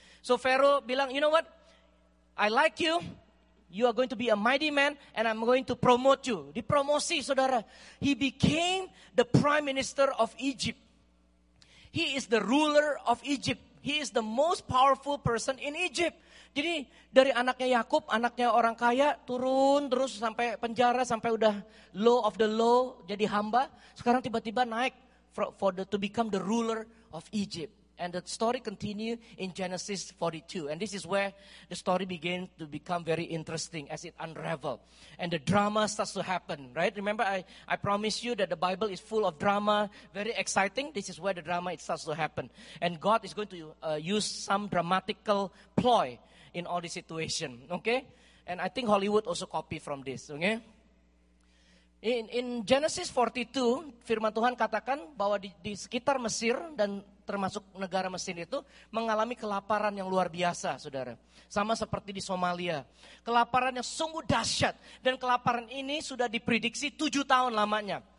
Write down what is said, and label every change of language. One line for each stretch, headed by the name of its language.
English: So Pharaoh bilang, you know what? I like you. You are going to be a mighty man and I'm going to promote you.
Indonesian: Dipromosi, saudara.
English: He became the prime minister of Egypt. He is the ruler of Egypt. He is the most powerful person in Egypt.
Indonesian: Jadi dari anaknya Yakub, anaknya orang kaya, turun terus sampai penjara, sampai udah
English: low of the low,
Indonesian: jadi hamba. Sekarang tiba-tiba naik
English: to become the ruler of Egypt. And the story continue in Genesis 42. And this is where the story begins to become very interesting as it unravel. And the drama starts to happen, right? Remember, I promise you that the Bible is full of drama, very exciting. This is where the drama it starts to happen. And God is going to use some dramatical ploy in all this situation, okay? And I think Hollywood also copy from this, okay? In Genesis 42,
Indonesian: firman Tuhan katakan bahwa di sekitar Mesir dan termasuk negara Mesir itu mengalami kelaparan yang luar biasa, saudara. Sama seperti di Somalia. Kelaparan yang sungguh dahsyat. Dan kelaparan ini sudah diprediksi 7 tahun lamanya.